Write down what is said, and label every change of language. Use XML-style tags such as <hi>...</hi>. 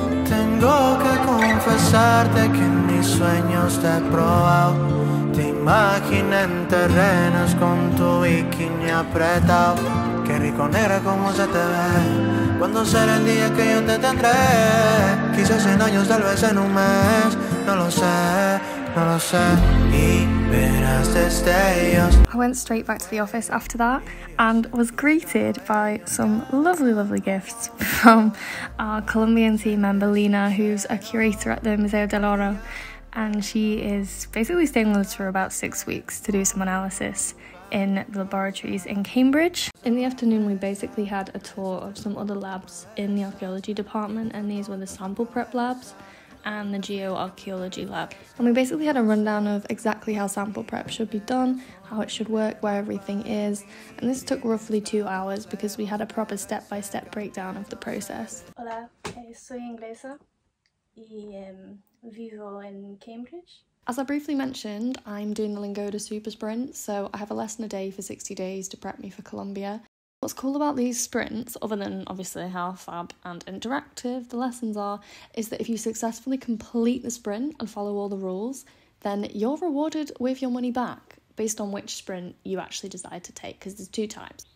<es>Tengo que confesarte que en mis sueños te he probado. Te imaginé en terrenos con tu bikini apretado. Qué rico negra como se te ve. ¿Cuándo será el día que yo te tendré? Quizás en años, tal vez en un mes. No lo sé, no lo sé. Y verás destellos.</es> <en>I went straight back to the office after that and was greeted by some lovely, lovely gifts from our Colombian team member, Lina, who's a curator at the Museo del Oro. And she is basically staying with us for about 6 weeks to do some analysis in the laboratories in Cambridge. In the afternoon, we basically had a tour of some other labs in the archaeology department, and these were the sample prep labs and the geoarchaeology lab. And we basically had a rundown of exactly how sample prep should be done, how it should work, where everything is. And this took roughly 2 hours because we had a proper step-by-step breakdown of the process.</en> <es>Hola, soy inglesa y vivo en Cambridge.</es> <en>As I briefly mentioned, I'm doing the Lingoda super sprint, so I have a lesson a day for 60 days to prep me for Colombia. What's cool about these sprints, other than obviously how fab and interactive the lessons are, is that if you successfully complete the sprint and follow all the rules, then you're rewarded with your money back based on which sprint you actually decide to take, because there's two types.</en>